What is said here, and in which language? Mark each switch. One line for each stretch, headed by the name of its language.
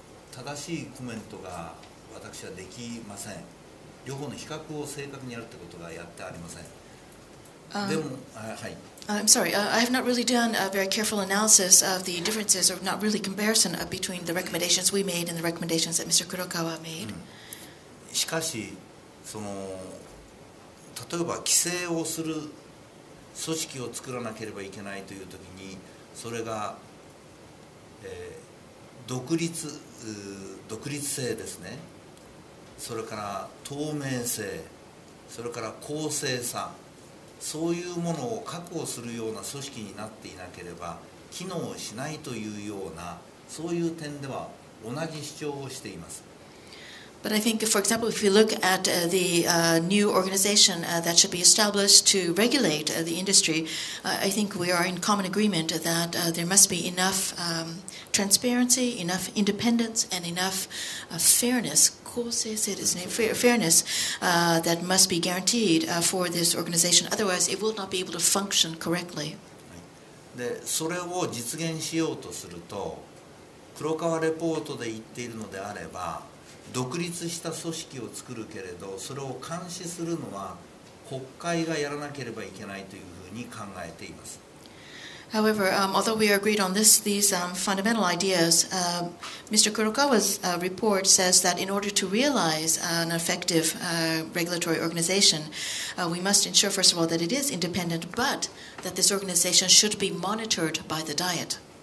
Japanese: 正しいコメントが私はできません。両方の比較を正確にやるってことがやってありません。でも、はい。
English: I'm sorry, I have not really done a very careful analysis of the differences or not really comparison between the recommendations we made and the recommendations that Mr. Kurokawa made.、うん、
Japanese: しかし、その例えば規制をする組織を作らなければいけないというときに、それが、独立性ですね、それから透明性、それから公正さ、そういうものを確保するような組織になっていなければ機能しないというような、そういう点では同じ主張をしています。
English: But I think, for example, if you look at the new organization that should be established to regulate the industry, I think we are in common agreement that there must be enough transparency, enough independence, and enough fairness that must be guaranteed for this organization. Otherwise, it will not be able to function correctly.
Japanese: で、それを実現しようとすると、黒川レポートで言っているのであれば、独立した組織を作るけれど、それを監視するのは国会がやらなければいけないというふうに考えています。
English: However, although we agreed on these fundamental ideas, Mr. Kurokawa's report says that in order to realize an effective regulatory organization, we must ensure, first of all, that it is independent, but that this organization should be monitored by the Diet.